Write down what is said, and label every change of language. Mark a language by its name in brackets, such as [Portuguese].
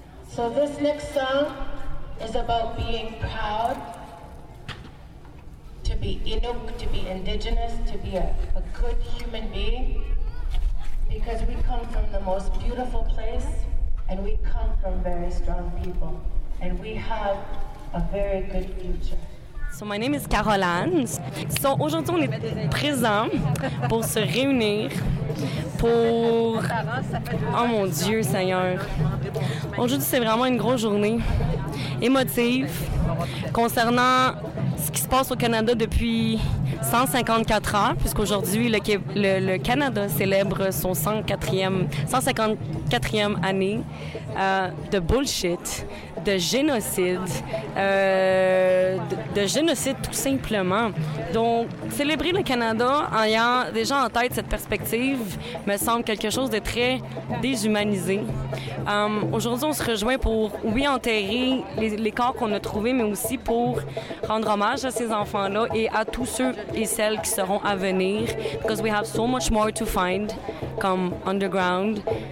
[English] So this next song is about being proud to be Inuk, to be Indigenous, to be a good human being, because we come from the most beautiful place and we come from very strong people. and we have a very good future. So my name is Caroline. [French] So aujourd'hui on est présent pour se réunir pour oh mon Dieu Seigneur. Aujourd'hui c'est vraiment une grosse journée émotive concernant ce qui se passe au Canada depuis 154 ans, puisqu'aujourd'hui le Canada célèbre son 154e année de bullshit, de génocide tout simplement. Donc, célébrer le Canada en ayant déjà en tête cette perspective me semble quelque chose de très déshumanisé. Aujourd'hui, on se rejoint pour, oui, enterrer les corps qu'on a trouvés, mais aussi pour rendre hommage à ces enfants-là et à tous ceux et celles qui seront à venir. [English] Because we have so much more to find, comme underground.